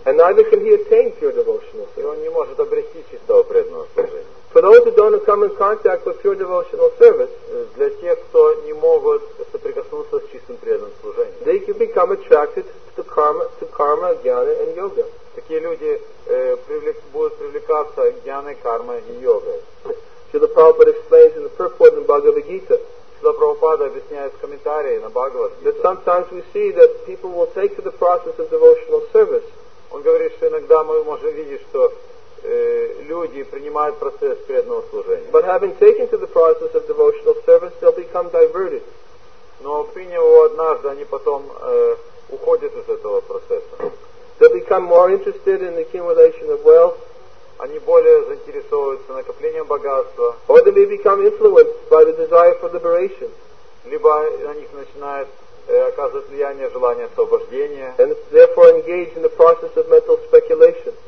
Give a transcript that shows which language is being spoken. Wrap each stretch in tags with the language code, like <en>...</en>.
<en>And neither can he attain pure devotional service.</en> <ru>И он не может обрести чистого преданного служения.</ru> <en>For those who don't come in contact with pure devotional service,</en> <ru>для тех, кто не могут соприкоснуться с чистым преданным служением,</ru> <en>they can become attracted to karma, jnana and yoga.</en> <ru>Такие люди будут привлекаться jnana, karma и yoga.</ru> <en>Srila Prabhupada explains in the purport in Bhagavad Gita.</en> <ru>Srila Prabhupada объясняет в комментарии на Бхагавад Гиту.</ru> <en>That sometimes we see that people will take to the process of devotional service.</en> <ru>Он говорит, что иногда мы можем видеть, что люди принимают процесс преданного служения.</ru> <en>But having taken to the process of devotional service, they'll become diverted.</en> <ru>Но приняв его однажды, они потом уходят из этого процесса.</ru> <en>They become more interested in the accumulation of wealth.</en> <ru>Они более заинтересовываются накоплением богатства.</ru> <en>Or they become influenced by the desire for liberation.</en> <ru>Либо на них начинает оказывать влияние желание освобождения.</ru> <en>And therefore engage in the process of mental speculation.</en>